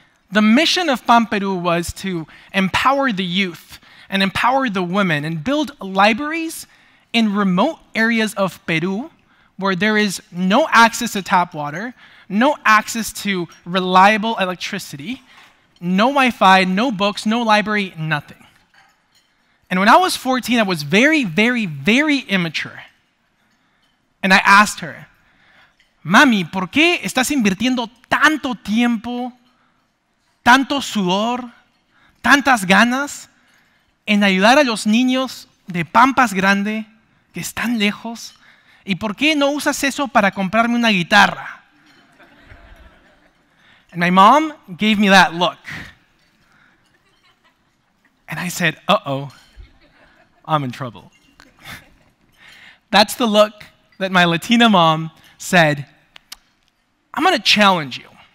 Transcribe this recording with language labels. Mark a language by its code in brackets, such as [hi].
[en] The mission of Pan Peru was to empower the youth and empower the women and build libraries in remote areas of Peru where there is no access to tap water, no access to reliable electricity, no Wi-Fi, no books, no library, nothing. And when I was 14, I was very, very, very immature. And I asked her, [es] Mami, ¿por qué estás invirtiendo tanto tiempo, tanto sudor, tantas ganas en ayudar a los niños de Pampas Grande que están lejos? ¿Y por qué no usas eso para comprarme una guitarra? [en] And my mom gave me that look. And I said, uh-oh, I'm in trouble. That's the look that my Latina mom said, I'm gonna challenge you.